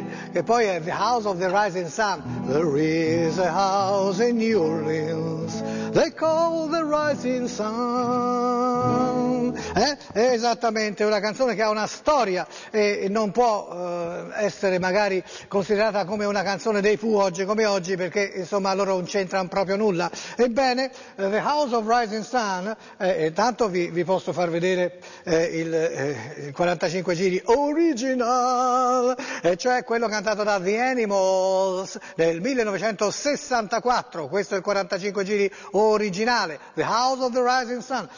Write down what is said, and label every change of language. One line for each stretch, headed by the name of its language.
Italian: Che poi è The House of the Rising Sun.
English: There is a house in New Orleans, they call the Rising Sun.
Italian: Esattamente, una canzone che ha una storia e non può essere magari considerata come una canzone dei Pooh oggi come oggi, perché insomma loro non c'entrano proprio nulla. Ebbene, The House of Rising Sun, intanto vi posso far vedere il 45 giri original, cioè quello cantato da The Animals nel 1964, questo è il 45 giri originale, The House of the Rising Sun.